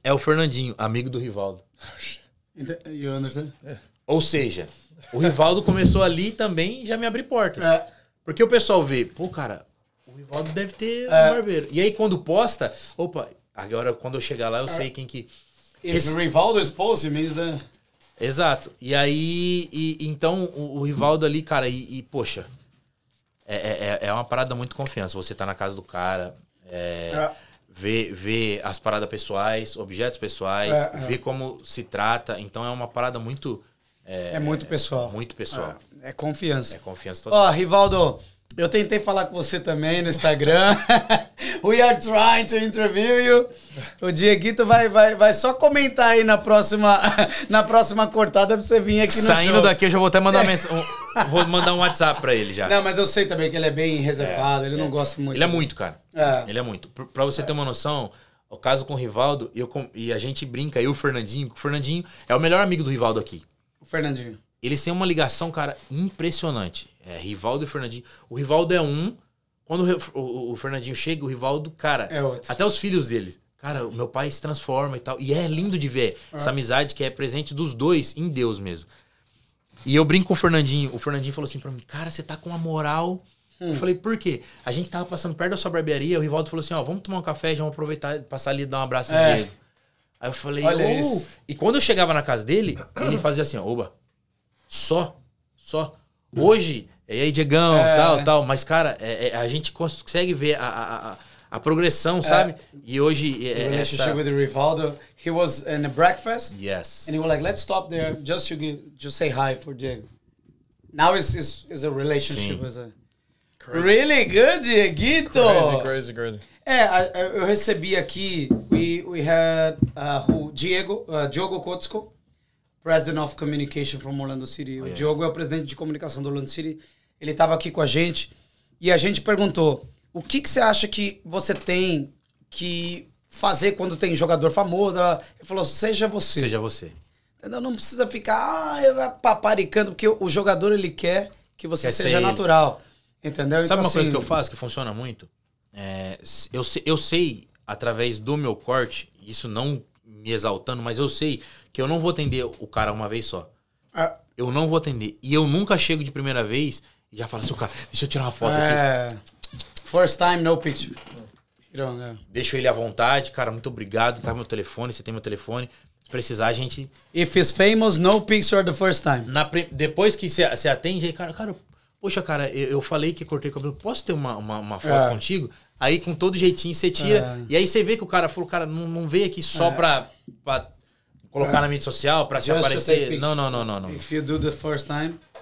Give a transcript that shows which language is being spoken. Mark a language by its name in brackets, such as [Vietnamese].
[Portuguese] É o Fernandinho, amigo do Rivaldo. [English] You understand? Yeah. [Portuguese] Ou seja, o Rivaldo começou ali também e já me abriu portas. Porque o pessoal vê, pô, cara, o Rivaldo deve ter um barbeiro. E aí, quando posta, opa, agora quando eu chegar lá, eu sei quem que... [English] If Rivaldo is posted, means that... [Portuguese] Exato. E aí, então, o Rivaldo ali, cara, poxa, é uma parada muito confiança. Você tá na casa do cara, ver as paradas pessoais, objetos pessoais, ver como se trata. Então, é uma parada muito... É muito pessoal. Muito pessoal. É confiança. É confiança total. Ó, Rivaldo, eu tentei falar com você também no Instagram. [English] We are trying to interview you. [Portuguese] O Dieguito vai só comentar aí na próxima cortada pra você vir aqui no Saindo show. Saindo daqui, eu já vou até mandar vou mandar um WhatsApp pra ele já. Não, mas eu sei também que ele é bem reservado, ele não gosta muito. Ele é muito, cara. Ele é muito. Pra você ter uma noção, o caso com o Rivaldo, e a gente brinca, eu e o Fernandinho é o melhor amigo do Rivaldo aqui. O Fernandinho. Eles têm uma ligação, cara, impressionante. É, Rivaldo e Fernandinho. O Rivaldo é um. Quando o Fernandinho chega, o Rivaldo, cara... É outro. Até os filhos dele. Cara, o meu pai se transforma e tal. E é lindo de ver essa amizade que é presente dos dois em Deus mesmo. E eu brinco com o Fernandinho. O Fernandinho falou assim pra mim, cara, você tá com uma moral. Eu falei, por quê? A gente tava passando perto da sua barbearia, o Rivaldo falou assim, ó, vamos tomar um café, já vamos aproveitar e passar ali e dar um abraço no Diego. Aí eu falei, olha isso. E quando eu chegava na casa dele, ele fazia assim, ó, oba. Só. Hoje, e aí, Diegão, tal. Mas, cara, a gente consegue ver a progressão, sabe? E hoje... [English] relationship with Rivaldo. He was in a breakfast. Yes. And he was like, let's stop there just to say hi for Diego. Now it's a relationship. [Portuguese] Sim. [English] Crazy. Really good, Dieguito. Crazy. [Portuguese] Eu recebi aqui, [English] we had [Portuguese] Diogo Kotsko. [English] President of Communication from Orlando City. [Portuguese] O Diogo é o presidente de comunicação do Orlando City. Ele estava aqui com a gente. E a gente perguntou, o que você acha que você tem que fazer quando tem jogador famoso? Ele falou, seja você. Seja você. Entendeu? Não precisa ficar paparicando, porque o jogador ele quer que você quer seja natural. Ele. Entendeu? Sabe então, uma coisa que eu faço que funciona muito? Eu sei, através do meu corte, isso não me exaltando, mas eu sei... Que eu não vou atender o cara uma vez só. Eu não vou atender. E eu nunca chego de primeira vez e já falo assim, cara, deixa eu tirar uma foto aqui. [English] First time, no picture. [Portuguese] Deixo ele à vontade. Cara, muito obrigado. Tá meu telefone, você tem meu telefone. Se precisar, a gente... [English] If it's famous, no picture the first time. [Portuguese] Depois que você atende, aí, cara, poxa, cara, eu falei que cortei o cabelo. Posso ter uma foto contigo? Aí, com todo jeitinho, você tira. E aí você vê que o cara falou, cara, não veio aqui só pra colocar na mídia social pra se aparecer. Não. [English] If you do the first time.